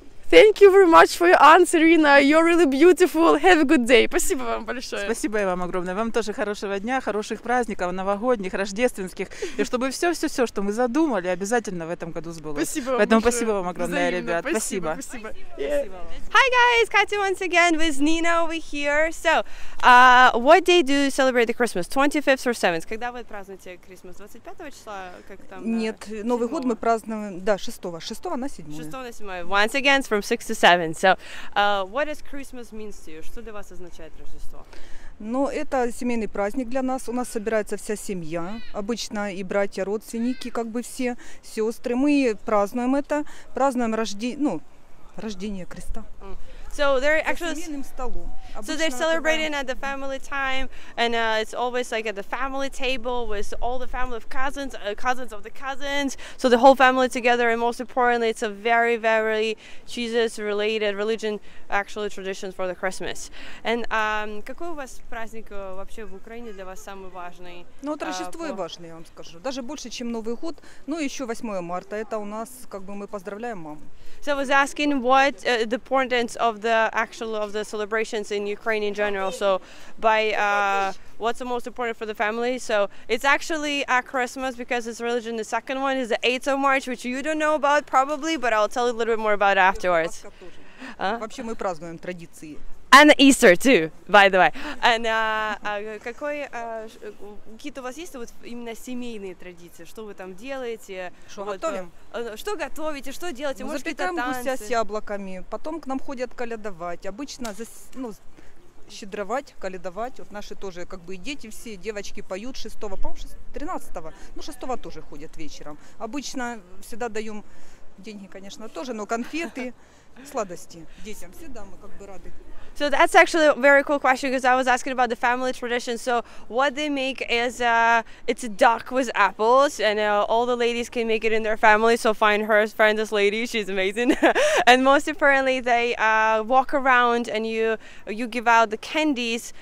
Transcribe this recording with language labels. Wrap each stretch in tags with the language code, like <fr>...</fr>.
<en>Thank you very much for your answer, Irina. You're really beautiful. Have a good day.</en> <ru>Спасибо вам большое. Спасибо и вам огромное. Вам тоже хорошего дня, хороших праздников, новогодних, рождественских. И чтобы все, что мы задумали, обязательно в этом году сбылось. Спасибо вам поэтому большое. Спасибо вам огромное, взаимно. Ребят. Спасибо. Спасибо. Спасибо.</ru> <en>Yeah. Hi, guys. Katya once again with Nina over here. So, what day do you celebrate the Christmas? 25th or 7th?</en> <ru>Когда вы празднуете Christmas? 25-го числа? Как там, да? Нет, Новый 7-го. Год мы празднуем, да, 6-го. 6-го на 7-е. 6-го на 7-е.</ru> <en>Once again, from 6 to 7. So, what does Christmas mean to you?</en> <ru>Что для вас означает Рождество? Но это семейный праздник для нас. У нас собирается вся семья. Обычно и братья, родственники, как бы все, сестры. Мы празднуем это, празднуем рождение Креста.</ru> <en>So they're actually celebrating at the family time, and it's always like at the family table with all the family of cousins, cousins of the cousins. So the whole family together, and most importantly, it's a very, very Jesus-related religion, actually tradition for the Christmas.</en> <ru>And какой у вас праздник вообще в Украине для вас самый важный? Ну, Рождество важное, я вам скажу. Даже больше, чем Новый год. Ну, еще 8 марта. Это у нас, как бы, мы поздравляем маму.</ru> <en>So I was asking what the importance of the celebrations in Ukraine in general. So by what's the most important for the family? So it's actually at Christmas, because it's religion. The second one is the 8th of March, which you don't know about probably, but I'll tell you a little bit more about afterwards.</en> <ru>Вообще мы празднуем традиции.</ru> <en>And Easter too, by the way.</en> <ru>And какой какие-то у вас есть вот именно семейные традиции? Что вы там делаете? Что готовим? Что готовите? Что делаете? Ну, может, запекаем гуся с яблоками. Потом к нам ходят колядовать. Обычно щедровать, колядовать. Вот наши тоже как бы и дети все, девочки поют 6-го, по-моему, 13-го. Ну, 6-го тоже ходят вечером. Обычно всегда даем деньги, конечно, тоже, но конфеты. Сладости детям всегда мы как бы рады.</ru> <en>So that's actually a very cool question, because I was asking about the family tradition. So what they make is it's a duck with apples, and all the ladies can make it in their family. So find this lady, she's amazing. And most importantly, they walk around and you give out the candies.</en>